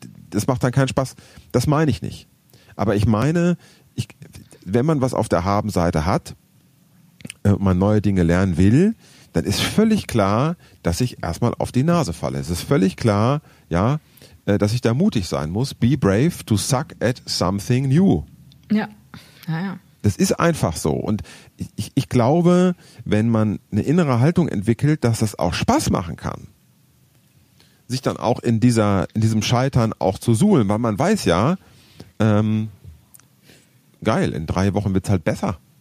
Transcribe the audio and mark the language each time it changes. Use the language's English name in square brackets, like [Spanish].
[German] Das macht dann keinen Spaß. Das meine ich nicht. Aber ich meine, wenn man was auf der Habenseite hat, man neue Dinge lernen will, dann ist völlig klar, dass ich erstmal auf die Nase falle. Es ist völlig klar, ja, dass ich da mutig sein muss. [English] Be brave to suck at something new. [German] Ja, naja. Das ist einfach so. Und ich glaube, wenn man eine innere Haltung entwickelt, dass das auch Spaß machen kann, sich dann auch in diesem Scheitern auch zu suhlen, weil man weiß ja, geil, in 3 Wochen wird es halt besser.